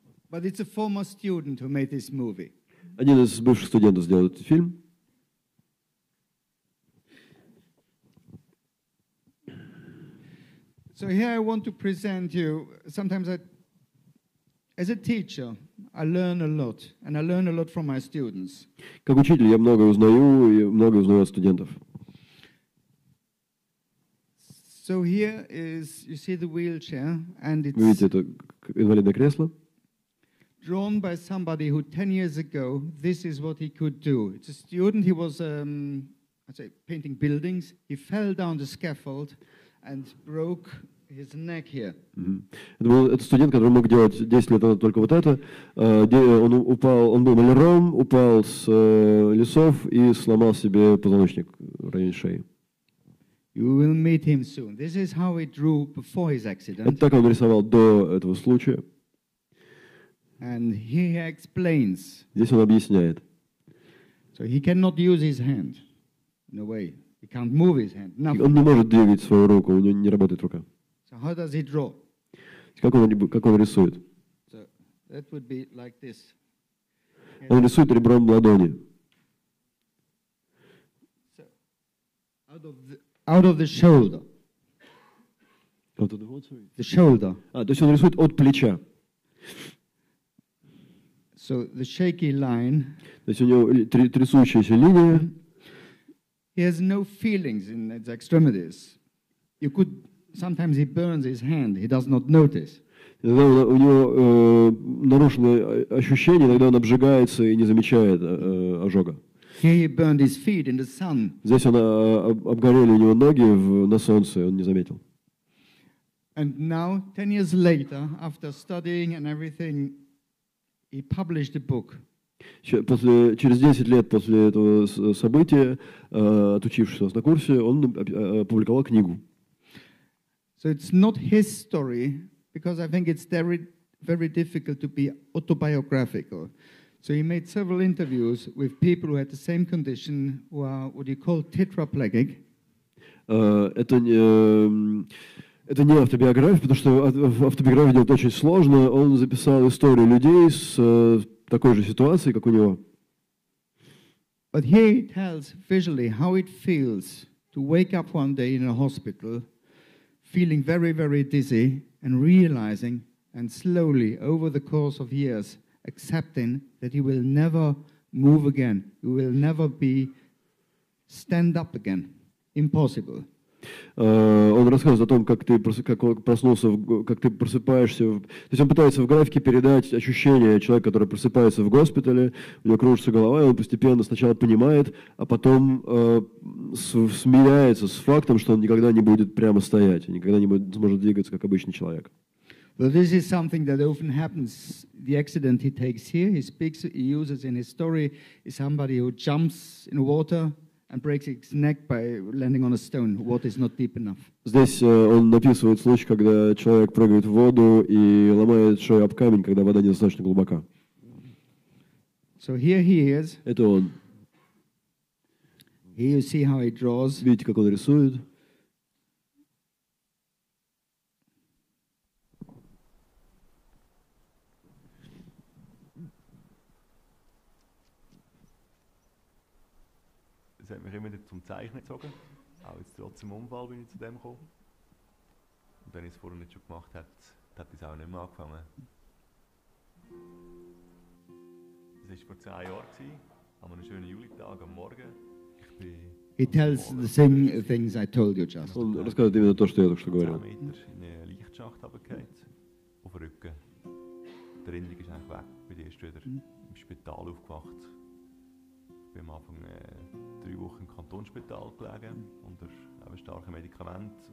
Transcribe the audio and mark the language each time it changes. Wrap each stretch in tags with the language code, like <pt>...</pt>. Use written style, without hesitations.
<en>But it's a former student who made this movie.</en> <ru>Один из бывших студентов сделал этот фильм.</ru> <en>So here I want to present you. Sometimes I As a teacher, I learn a lot, and I learn a lot from my students.</en> <ru>Как учитель, я многое узнаю и многое узнаю от студентов.</ru> <en>So here is, you see the wheelchair, and it's.</en> <ru>Вы видите это инвалидное кресло?</ru> <en>Drawn by somebody who 10 years ago, this is what he could do. It's a student. He was, I'd say, painting buildings. He fell down the scaffold, and broke. His neck here. Mm-hmm.</en> <ru>Это студент, который мог делать 10 лет назад только вот это. Он упал, он был маляром, упал с лесов и сломал себе позвоночник в районе шеи.</ru> <en>You will meet him soon. This is how he drew before his accident.</en> <ru>Это так он рисовал до этого случая.</ru> <en>And he explains.</en> <ru>Здесь он объясняет.</ru> <en>So he cannot use his hand. No way. He can't move his hand.</en> <ru>Он не может двигать свою руку, у него не работает рука.</ru> <en>How does he draw?</en> <ru>Как он рисует?</ru> <en>So that would be like this.</en> <ru>Он рисует ребром ладони.</ru> <en>So out of the shoulder. Out of the what, sorry? The shoulder.</en> <ru>А, то есть он рисует от плеча.</ru> <en>So the shaky line.</en> <ru>То есть у него трясущаяся линия.</ru> <en>He has no feelings in his extremities. You could sometimes he burns his hand. He does not notice.</en> <ru>Иногда у него нарушены ощущения, иногда он обжигается и не замечает ожога.</ru> <en>Here he burned his feet in the sun.</en> <ru>Здесь он обгорели у него ноги на солнце, он не заметил.</ru> <en>And now, 10 years later, after studying and everything, he published a book.</en> <ru>Через 10 лет после этого события, отучившись у нас на курсе, он опубликовал книгу.</ru> <en>So it's not his story. Because I think it's very, very difficult to be autobiographical. So he made several interviews with people who had the same condition, who are what you call tetraplegic.</en> <ru>Это не автобиография, потому что автобиографию делать очень сложно. Он записал истории людей с такой же ситуацией, как у него.</ru> <en>But he tells visually how it feels to wake up one day in a hospital, feeling very, very dizzy. And realizing, and slowly over the course of years, accepting that he will never move again, he will never be stand up again, impossible.</en> <ru>Он рассказывает о том, как ты просыпаешься. То есть он пытается в графике передать ощущение человека, который просыпается в госпитале, у него кружится голова, и он постепенно сначала понимает, а потом смиряется с фактом, что он никогда не будет прямо стоять, никогда не будет, сможет двигаться, как обычный человек.</ru> <en>Well, this is something that often happens. The accident he takes here, he speaks, he uses in his story, is somebody who jumps in water, and breaks his neck by landing on a stone. Water is not deep enough.</en> <ru>Здесь он написывает случай, когда человек прыгает в воду и ломает шею об камень, когда вода недостаточно глубока.</ru> <en>So here he is.</en> <ru>Это он.</ru> <en>Here you see how he draws.</en> <ru>Видите, как он рисует?</ru> <de>Das hat mich immer wieder zum Zeichnen gezogen, auch jetzt trotz dem Unfall bin ich zu dem gekommen. Und wenn ich es vorher nicht schon gemacht hätte, hätte ich es auch nicht mehr angefangen. Es war vor 10 Jahren, an einem schönen Julitag am Morgen. Ich bin</de> <en>he tells the same things I told you just.</en> <de>Und das gehört immer noch zu dem, was ich gesagt habe. 10 Meter in eine Lichtschacht runtergefallen, auf den Rücken. Die Erinnerung ist eigentlich weg, ich bin erst wieder im Spital aufgewacht. Ich bin am Anfang 3 Wochen im Kantonsspital gelegen, unter starken Medikamenten.</de>